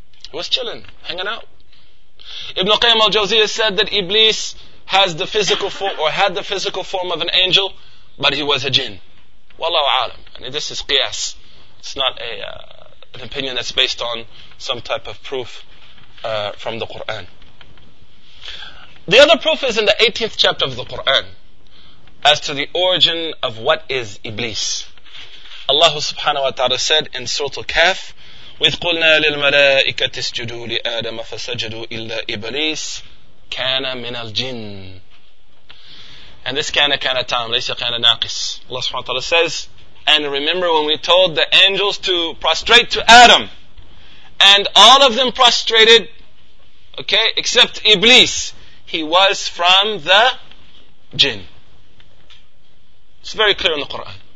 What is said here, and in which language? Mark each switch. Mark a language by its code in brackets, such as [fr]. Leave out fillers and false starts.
[en] He was chilling, hanging out. Ibn Qayyim al-Jawziyyah said that Iblis has the physical form, or had the physical form of an angel, but he was a jinn. Wallahu alam. And this is qiyas. It's not an opinion that's based on some type of proof from the Quran. The other proof is in the 18th chapter of the Quran as to the origin of what is Iblis. Allah subhanahu wa ta'ala said in Surah Al-Kahf, [ar] وَإِذْ قُلْنَا لِلْمَلَائِكَةِ اسْجُدُوا لِآدَمَ فَسَجَدُوا إِلَّا إِبْلِيسَ كَانَ مِنَ الْجِنِّ. [en] And this [ar] kana tam, laysa kana naqis. [en] Allah subhanahu wa ta'ala says, and remember when we told the angels to prostrate to Adam, and all of them prostrated, okay, except Iblis. He was from the jinn. It's very clear in the Quran.